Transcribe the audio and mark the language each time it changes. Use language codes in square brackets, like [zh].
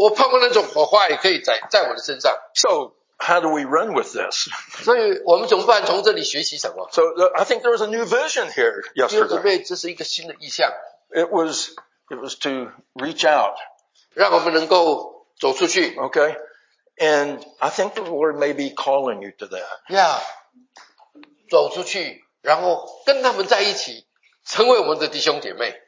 [zh] 所以呢，我可以感受到，哇，他们祷告很有能力哈，好像有火花，我盼望那种火花也可以在我的身上。 [en] So how do we run with this? [zh] 所以我们怎么办？从这里学习什么？ [en] So I think there was a new vision here yesterday. [zh] 这是一个新的意向。 [en] It was to reach out. [zh] 让我们能够走出去。Okay, [en] and I think the Lord may be calling you to that. [zh] Yeah, 走出去。然后跟他们在一起，成为我们的弟兄姐妹。